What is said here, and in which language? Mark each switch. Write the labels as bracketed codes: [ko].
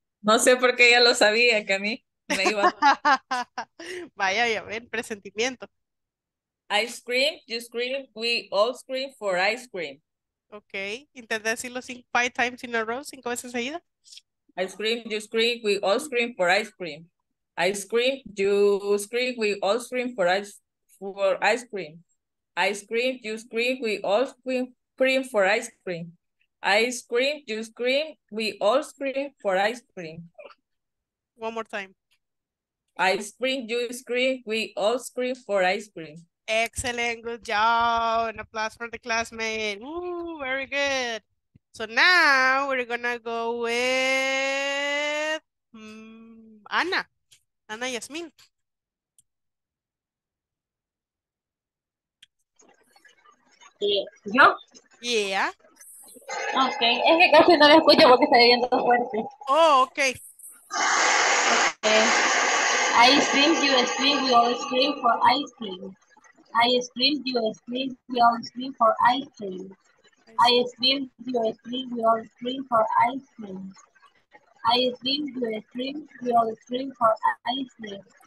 [es] No sé por qué ella lo sabía, que a mí me iba. Vaya, ya ven, presentimiento. [en] Ice cream, you scream, we all scream for ice cream. Okay, [es] intenté decirlo [en] 5 times in a row, [es] 5 veces seguida. [en] Ice cream, you scream, we all scream for ice cream. Ice cream, you scream, we all scream for ice cream. Ice cream, you scream, we all scream for ice cream. Ice cream, you scream, we all scream for ice cream. One more time. Ice cream, you scream, we all scream for ice cream. Excellent, good job. An applause for the classmate. Woo, very good. So now we're gonna go with Anna. Anna Yasmin. [es] ¿Yo? [en] Yeah. [es] Okay, es que casi no la escucho porque está viendo fuerte. [en] Oh, okay. Okay. I scream, you scream, we all scream for ice cream. I scream, you scream, we all scream for ice cream. I scream, you scream, we all scream for ice cream. I scream, you scream, we all scream for ice cream.